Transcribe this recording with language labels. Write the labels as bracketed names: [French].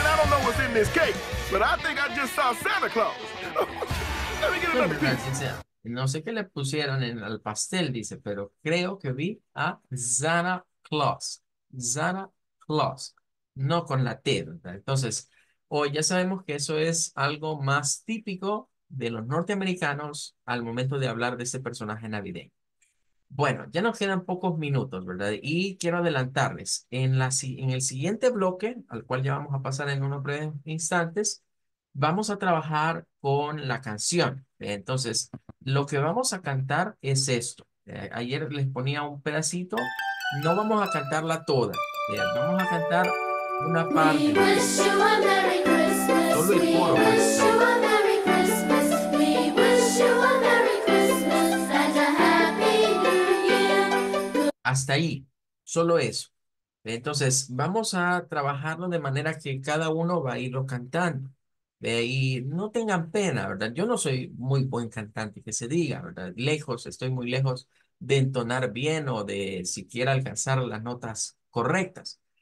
[English] know what's in this cake, but I think I just saw Santa Claus. Let me get another piece. [Spanish] No sé qué le pusieron en el pastel, dice, pero creo que vi a Santa Claus. Santa Claus. No con la T, ¿verdad? Entonces, hoy ya sabemos que eso es algo más típico de los norteamericanos al momento de hablar de ese personaje navideño. Bueno, ya nos quedan pocos minutos, ¿verdad? Y quiero adelantarles. En el siguiente bloque, al cual ya vamos a pasar en unos breves instantes, vamos a trabajar con la canción. Entonces, lo que vamos a cantar es esto. Ayer les ponía un pedacito. No vamos a cantarla toda. Vamos a cantar una parte. [English] We wish you a Merry Christmas. [Spanish] Solo el coro. [English] We wish you a Merry Christmas. We wish you a Merry Christmas and a Happy New Year. [Spanish] Hasta ahí. Solo eso. Entonces, vamos a trabajarlo de manera que cada uno va a irlo cantando. Y no tengan pena, ¿verdad? Yo no soy muy buen cantante, que se diga, ¿verdad? Lejos, estoy muy lejos de entonar bien o de siquiera alcanzar las notas correctas.